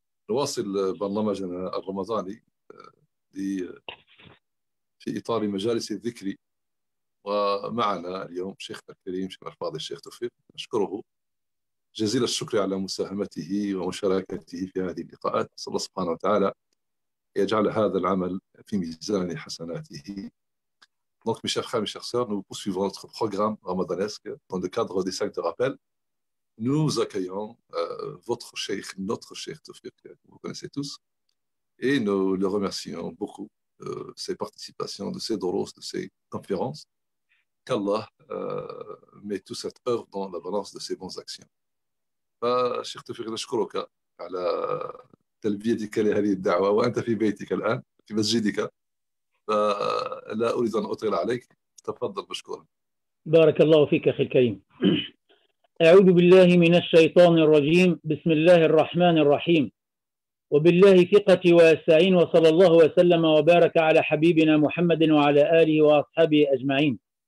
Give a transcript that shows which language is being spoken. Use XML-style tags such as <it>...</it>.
<ar>نواصل برنامجنا الرمضاني في إطار مجالس الذكر، ومعنا اليوم شيخنا الكريم شيخ الفاضل الشيخ توفيق. نشكره جزيل الشكر على مساهمته ومشاركته في هذه اللقاءات. نسأل الله سبحانه وتعالى يجعل هذا العمل في ميزان حسناته.</ar> <fr>Donc, mes chers frères, mes chères sœurs, nous poursuivons notre programme ramadanesque dans le cadre des cinq de rappel. Nous accueillons votre cheikh, notre cheikh Tawfiq, que vous connaissez tous, et nous le remercions beaucoup de ses participations, de ses doros, de ses conférences. Qu'Allah mette toute cette œuvre dans la balance de ses bonnes actions. Cheikh Tawfiq, je vous remercie de votre bienvenue à la da'wa, et vous êtes dans votre maison maintenant, dans votre masjid.</fr> <ar>لا أريد أن أطيل عليك، تفضل. مشكورا. بارك الله فيك أخي الكريم. أعوذ بالله من الشيطان الرجيم، بسم الله الرحمن الرحيم، وبالله ثقتي وأستعين، وصلى الله وسلم وبارك على حبيبنا محمد وعلى آله وأصحابه أجمعين.</ar>